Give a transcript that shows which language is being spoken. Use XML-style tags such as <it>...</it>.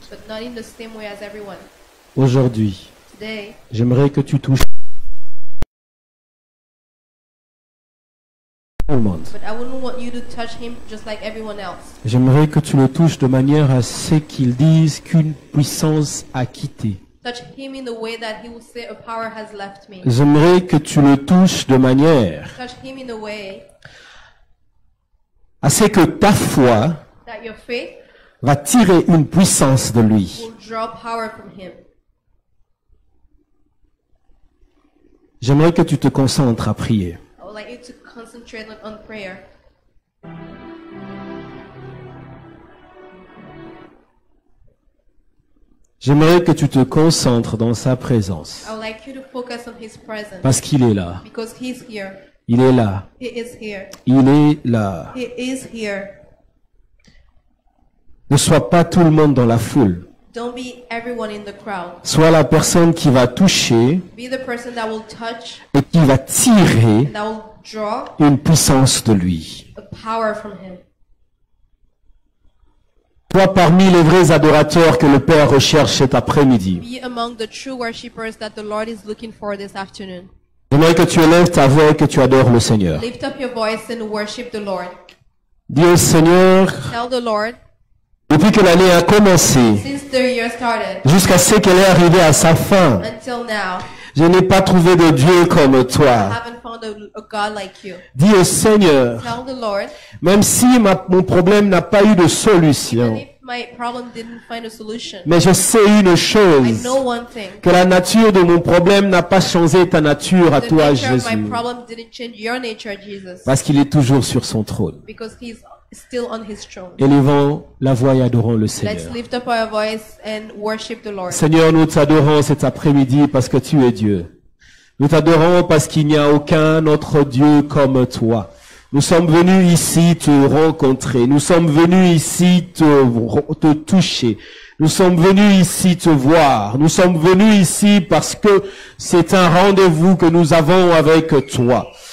<en>But not in the same way as everyone.</en> <fr>Aujourd'hui,</fr> <en>today,</en> <fr>j'aimerais que tu touches tout le monde.</fr> <en>But I wouldn't want you to touch him just like everyone else.</en> <fr>J'aimerais que tu le touches de manière à ce qu'il dise qu'une puissance a quitté.</fr> <en>Touch him in the way that he will say a power has left me.</en> <fr>J'aimerais que tu le touches de manière</fr> <en>touch him in the way</en> <fr>à ce que ta foi</fr> <en>that your faith</en> <fr>va tirer une puissance de lui.</fr> <en>Will draw power from him.</en> <fr>J'aimerais que tu te concentres à prier.</fr> <en>I would like you to concentrate on prayer.</en> <fr>J'aimerais que tu te concentres dans sa présence.</fr> <en>I would like you to focus on his presence.</en> <fr>Parce qu'il est là.</fr> <en>Because he's here.</en> <fr>Il est là.</fr> <en>He is here.</en> <fr>Il est là.</fr> <en>He is here.</en> <fr>Ne sois pas tout le monde dans la foule.</fr> <en>Don't be everyone in the crowd.</en> <fr>Sois la personne qui va toucher</fr> <en>be the person that will touch</en> <fr>et qui va tirer</fr> <en>and that will draw</en> <fr>une puissance de lui.</fr> <en>A power from him.</en> <fr>Toi parmi les vrais adorateurs que le Père recherche cet après-midi.</fr> <en>Be among the true worshipers that the Lord is looking for this afternoon.</en> <fr>J'aimerais que tu élèves ta voix et que tu adores le Seigneur.</fr> <en>Lift up your voice and worship the Lord.</en> <fr>Dis au Seigneur.</fr> <en>Tell the Lord.</en> <fr>Depuis que l'année a commencé,</fr> <en>since the year started,</en> <fr>jusqu'à ce qu'elle est arrivée à sa fin,</fr> <en>until now,</en> <fr>je n'ai pas trouvé de Dieu comme toi.</fr> <en>I haven't found a God like you.</en> <fr>Dis au Seigneur,</fr> <en>tell the Lord,</en> <fr>même si mon problème n'a pas eu de solution,</fr> <en>my problem didn't find a solution.</en> <fr>Mais je sais une chose,</fr> <en>I know one thing,</en> <fr>que la nature de mon problème n'a pas changé ta nature à toi, Jésus.</fr> <en>My problem didn't change your nature, Jesus.</en> <fr>Parce qu'il est toujours sur son trône.</fr> <en>Because he's still on his throne.</en> <fr>Élevons la voix et adorons le Seigneur.</fr> <en>Let's lift up our voice and worship the Lord.</en> <fr>Seigneur, nous t'adorons cet après-midi parce que tu es Dieu. Nous t'adorons parce qu'il n'y a aucun autre Dieu comme toi. Nous sommes venus ici te rencontrer. Nous sommes venus ici te toucher. Nous sommes venus ici te voir. Nous sommes venus ici parce que c'est un rendez-vous que nous avons avec toi.</fr>